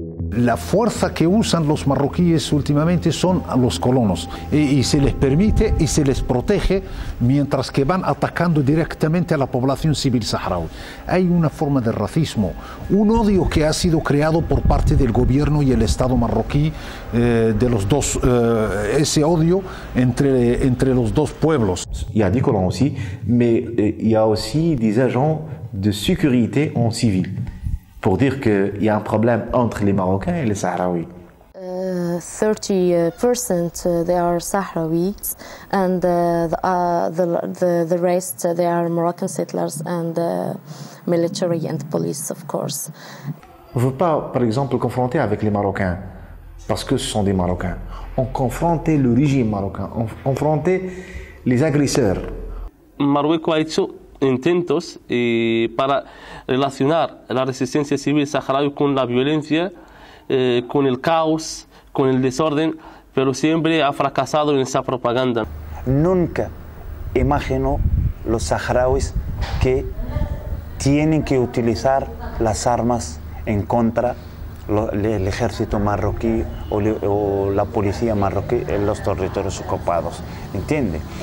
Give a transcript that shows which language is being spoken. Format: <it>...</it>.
<es>La fuerza que usan los marroquíes últimamente son a los colonos y se les permite y se les protege mientras que van atacando directamente a la población civil saharaui. Hay una forma de racismo, un odio que ha sido creado por parte del gobierno y el Estado marroquí, de los dos, ese odio entre los dos pueblos.</es> <fr>Y a Nicolás aussi, mais il y a aussi des agents de sécurité en civil. Pour dire qu'il y a un problème entre les Marocains et les Sahraouis.</fr> <en>30% they are Sahraouis and the rest they are Moroccan settlers and military and police of course.</en> <fr>On ne veut pas par exemple confronter avec les Marocains parce que ce sont des Marocains. On confrontait le régime marocain, on confrontait les agresseurs.</fr> <es>Marocco</es> <fr>a fait</fr> <es>intentos para relacionar la resistencia civil saharaui con la violencia, con el caos, con el desorden, pero siempre ha fracasado en esa propaganda. Nunca imagino los saharauis que tienen que utilizar las armas en contra del ejército marroquí o la policía marroquí en los territorios ocupados, ¿entiende?</es>